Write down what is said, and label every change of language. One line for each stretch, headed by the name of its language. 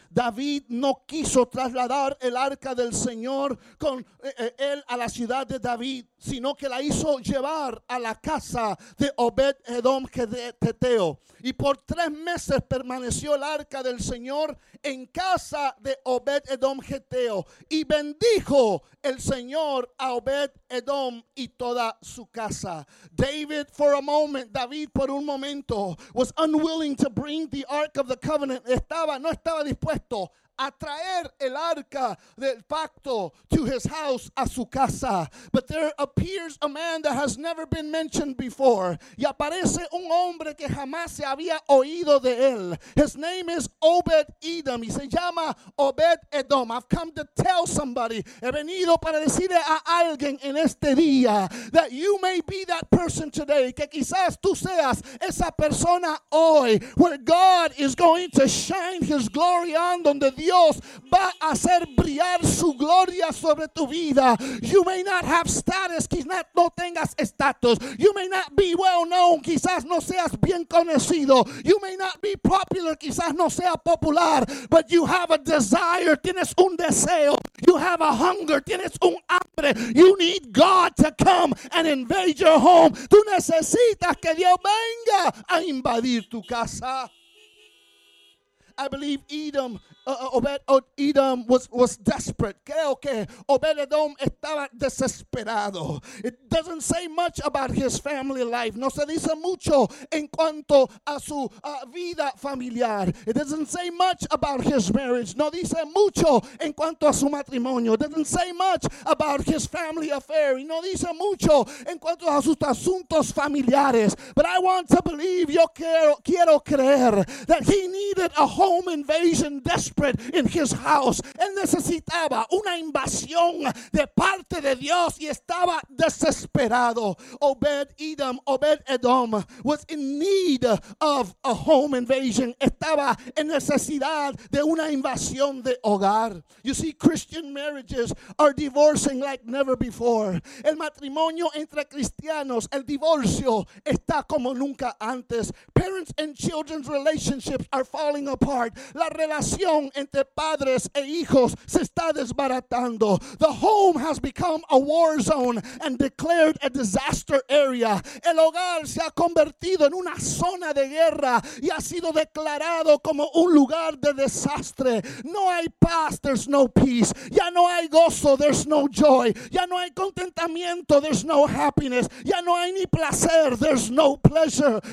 Spanish: David no quiso trasladar el arca del Señor con él a la ciudad de David, sino que la hizo llevar a la casa de Obed-Edom Geteteo. Y por 3 meses permaneció el arca del Señor en casa de Obed-Edom Geteteo. Y bendijo el Señor a Obed-Edom y toda su casa.
English: David, for a moment,
Spanish: David por un momento,
English: was unwilling to bring the Ark of the Covenant.
Spanish: No estaba dispuesto a traer el arca del pacto
English: to his house,
Spanish: a su casa.
English: But there appears a man that has never been mentioned before.
Spanish: Y aparece un hombre que jamás se había oído de él.
English: His name is Obed-Edom.
Spanish: Y se llama Obed-Edom.
English: I've come to tell somebody.
Spanish: He venido para decirle a alguien en este día
English: that you may be that person today.
Spanish: Que quizás tú seas esa persona hoy,
English: where God is going to shine his glory on,
Spanish: donde Dios va a hacer brillar su gloria sobre tu vida.
English: You may not have status,
Spanish: quizás no tengas estatus.
English: You may not be well known,
Spanish: quizás no seas bien conocido.
English: You may not be popular,
Spanish: quizás no sea popular.
English: But you have a desire,
Spanish: tienes un deseo.
English: You have a hunger,
Spanish: tienes un hambre.
English: You need God to come and invade your home.
Spanish: Tú necesitas que Dios venga a invadir tu casa.
English: I believe Edom. Obed-Edom was desperate.
Spanish: Creo que Obed-Edom estaba desesperado.
English: It doesn't say much about his family life.
Spanish: No se dice mucho en cuanto a su vida familiar.
English: It doesn't say much about his marriage.
Spanish: No dice mucho en cuanto a su matrimonio.
English: It doesn't say much about his family affair.
Spanish: Y no dice mucho en cuanto a sus asuntos familiares.
English: But I want to believe,
Spanish: yo quiero creer,
English: that he needed a home. home invasion desperate in his house.
Spanish: Él necesitaba una invasión de parte de Dios y estaba desesperado.
English: Obed-Edom was in need of a home invasion.
Spanish: Estaba en necesidad de una invasión de hogar.
English: You see, Christian marriages are divorcing like never before.
Spanish: El matrimonio entre cristianos, el divorcio, está como nunca antes.
English: Parents and children's relationships are falling apart.
Spanish: La relación entre padres e hijos se está desbaratando.
English: The home has become a war zone and declared a disaster area.
Spanish: El hogar se ha convertido en una zona de guerra y ha sido declarado como un lugar de desastre. No hay paz,
English: there's no peace.
Spanish: Ya no hay gozo,
English: there's no joy.
Spanish: Ya no hay contentamiento,
English: there's no happiness.
Spanish: Ya no hay ni placer,
English: there's no pleasure.